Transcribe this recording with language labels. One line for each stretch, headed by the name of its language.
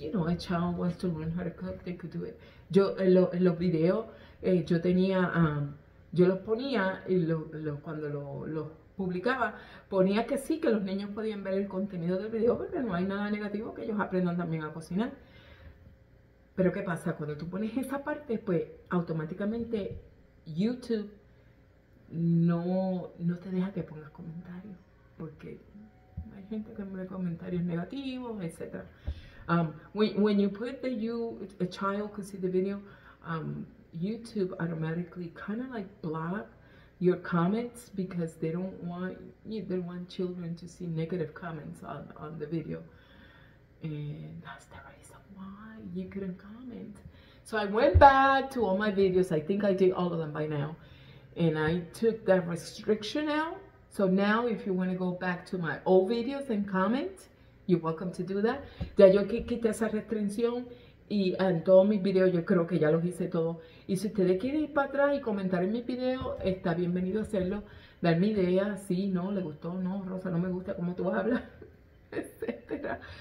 English: You know, a child wants to learn how to cook, they could do it.
Spanish: Yo, en los videos, yo tenía... Yo los ponía, y cuando los publicaba, ponía que sí, que los niños podían ver el contenido del video, porque no hay nada negativo, que ellos aprendan también a cocinar. Pero ¿qué pasa? Cuando tú pones esa parte, pues automáticamente YouTube no te deja que pongas comentarios, porque hay gente que me lo comentarios negativos, etc.
English: When you put the you, a child could see the video, YouTube automatically kind of like block your comments because they don't want children to see negative comments on the video. And that's the reason why you couldn't comment. So I went back to all my videos. I think I did all of them by now. And I took that restriction out. So now if you want to go back to my old videos and comment, you're welcome to do that.
Spanish: Ya yo quité esa restricción y en todos mis videos yo creo que ya los hice todos. Y si ustedes quieren ir para atrás y comentar en mis videos, está bienvenido a hacerlo. Darme ideas, sí, no, le gustó, no, Rosa, no me gusta cómo tú hablas, etcétera.